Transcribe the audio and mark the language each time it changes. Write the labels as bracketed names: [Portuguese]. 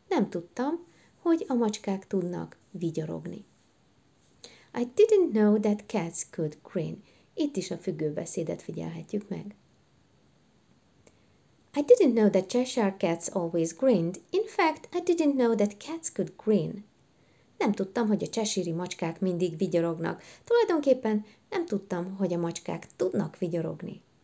[Hungarian] Nem tudtam, hogy a macskák tudnak vigyorogni. [English] I didn't know that cats could grin. [Hungarian] Itt is a függőbeszédet figyelhetjük meg. [English] I didn't know that Cheshire cats always grinned. In fact, I didn't know that cats could grin. [Hungarian] Nem tudtam, hogy a cheshire-i macskák mindig vigyorognak. Tulajdonképpen nem tudtam, hogy a macskák tudnak vigyorogni.